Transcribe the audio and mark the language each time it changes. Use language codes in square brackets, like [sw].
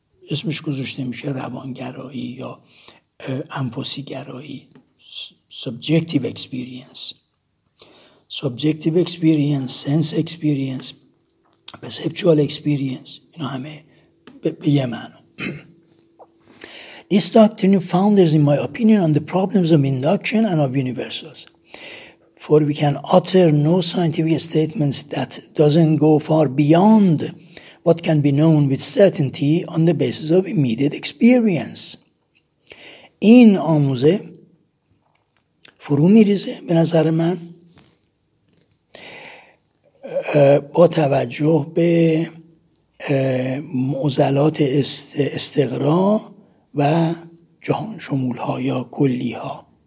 [fa] اسمش گذاشته میشه روانگرایی یا انفسیگرایی، [en] subjective experience, subjective experience, sense experience, perceptual experience, [fa] اینا همه به یه معنی. [en] This doctrine founders in my opinion on the problems of induction and of universals. For we can utter no scientific statements that doesn't go far beyond what can be known with certainty on the basis of immediate experience. [fa] این آموزه فرو می‌ریزه به نظر من با توجه به معضلات استقرا و جهان شمول ها یا کلی ها.